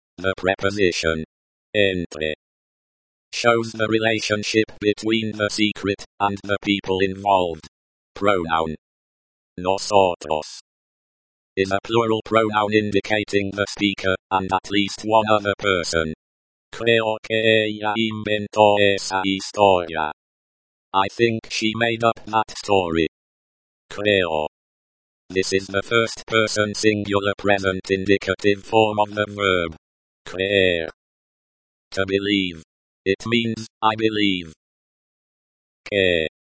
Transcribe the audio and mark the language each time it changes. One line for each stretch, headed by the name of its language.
English: The preposition. Entre. Shows the relationship between the secret and the people involved. Pronoun. Nosotros. Is a plural pronoun indicating the speaker and at least one other person.
Spanish: Creo que ella inventó esa historia.
English: I think she made up that story. Creo. This is the first person singular present indicative form of the verb. Creer. To believe. It means, I believe. Que.